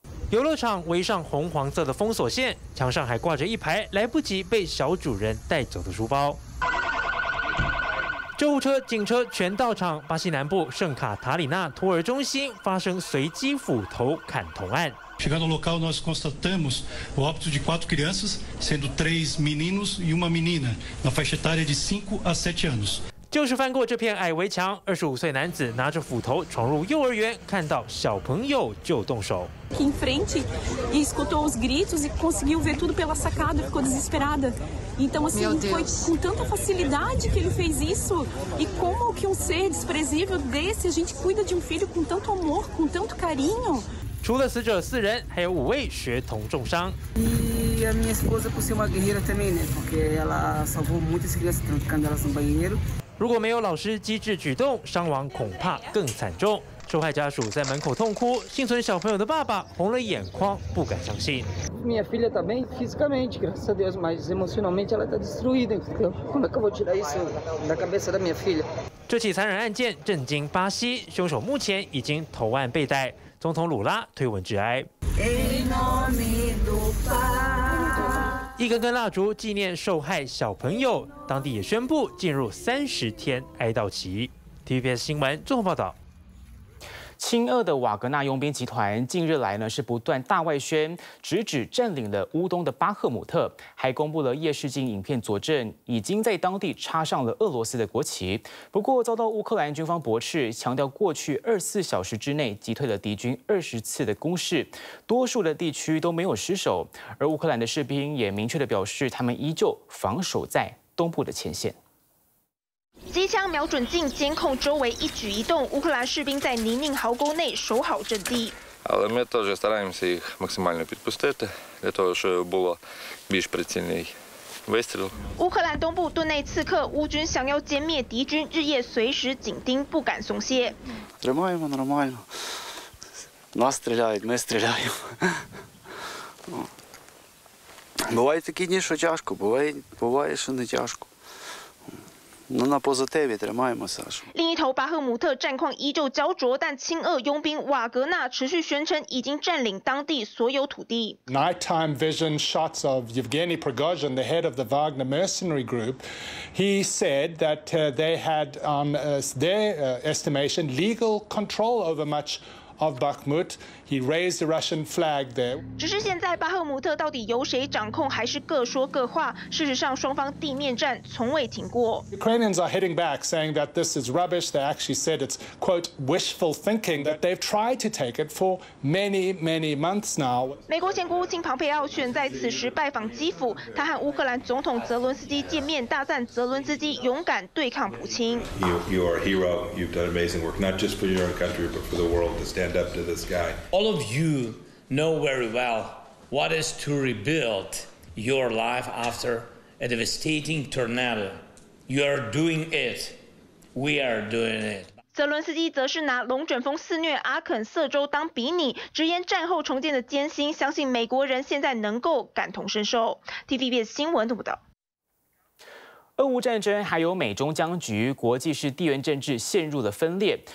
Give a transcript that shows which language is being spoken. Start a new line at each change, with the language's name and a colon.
Chinese: 游乐场围上红黄色的封锁线，墙上还挂着一排来不及被小主人带走的书包。救护车、警车全到场。巴西南部圣卡塔里娜托儿中心发生随机斧头砍童案。
Portuguese: Chegando ao local, nós constatamos o óbito de 4 crianças, sendo 3 meninos e 1 menina, na faixa etária de 5 a 7 anos。
Chinese: 就是翻过这片矮围墙，25岁男子拿着斧头闯入幼儿园，看到小朋友就动手。
Portuguese: Em frente, e escutou os gritos e conseguiu ver tudo pela sacada, ficou desesperada. Então, assim, foi com tanta facilidade que ele fez isso. E como que um ser desprezível desse, a gente cuida de um filho com tanto amor, com tanto carinho?
Chinese: 除了死者4人，还有5位学童重伤。
Portuguese: E a minha esposa, por ser uma guerreira também, né? Porque ela salvou muitas crianças, trancando elas no banheiro.
Chinese: 如果没有老师机智举动，伤亡恐怕更惨重。受害家属在门口痛哭，幸存小朋友的爸爸红了眼眶，不敢相信。
Portuguese: Minha filha também fisicamente, graças a Deus, mas emocionalmente ela está destruída. Então, como é que eu vou tirar isso da cabeça da minha filha?
Chinese: 这起残忍案件震惊巴西，凶手目前已经投案被逮。总统鲁拉推文致哀。一根根蜡烛纪念受害小朋友，当地也宣布进入30天哀悼期。 TVBS 新闻综合报道。亲俄的瓦格纳佣兵集团近日来呢是不断大外宣，直指占领了乌东的巴赫姆特，还公布了夜视镜影片佐证，已经在当地插上了俄罗斯的国旗。不过遭到乌克兰军方驳斥，强调过去24小时之内击退了敌军20次的攻势，多数的地区都没有失守。而乌克兰的士兵也明确地表示，他们依旧防守在东部的前线。机枪瞄准镜监控周围一举一动，乌克兰士兵在泥泞壕沟内守好阵地。
Ukrainian: Але ми теж стараємося їх максимально підпустити для того, щоб було більш прицільний вистріл。
Chinese: 乌克兰东部顿内刺客，乌军想要歼灭敌军，日夜随时紧盯，不敢松懈。
Ukrainian: Тримаємо нормально, нас стріляють, ми стріляємо. Буває такі дні, що тяжко, буває, що не тяжко. На позитиві тримаємося.
Chinese: 另一头巴赫姆特战况依旧焦灼，但亲俄佣兵瓦格纳持续宣称已经占领当地所有土地。
English: Nighttime vision shots of Yevgeny Prigozhin, the head of the Wagner mercenary group, he said that they had, on their estimation, legal control over much. Of Bakhmut, he raised the Russian flag there.
Chinese: 只是现在巴赫姆特到底由谁掌控，还是各说各话。事实上，双方地面战从未停过。
English: Ukrainians are hitting back, saying that this is rubbish. They actually said it's quote wishful thinking that they've tried to take it for many, many months now.
Chinese: 美国前国务卿庞佩奥选在此时拜访基辅，他和乌克兰总统泽伦斯基见面，大赞泽伦斯基勇敢对抗普京。
English: You are a hero. You've done amazing work, not just for your own country, but for the world. Stand up to this guy. All of you know very well what is to rebuild your life after a devastating tornado. You are doing it. We are doing it.
Chinese: 泽伦斯基则是拿龙卷风肆虐阿肯色州当比拟，直言战后重建的艰辛，相信美国人现在能够感同身受。TVBS 新闻报道。俄乌战争还有美中僵局，国际是地缘政治陷入了分裂。